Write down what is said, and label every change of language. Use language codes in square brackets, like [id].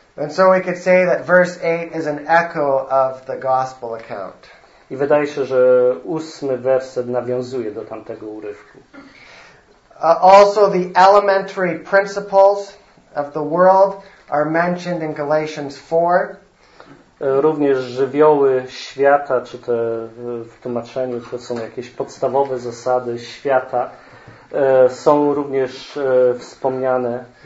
[en] And so we could say that verse 8 is an echo of the gospel account. [pl] I wydaje się, że ósmy werset nawiązuje do tamtego urywku. [en] Also the elementary principles of the world are mentioned in Galatians 4. [pl] Również żywioły świata, czy te w tłumaczeniu to są jakieś podstawowe zasady świata, są również wspomniane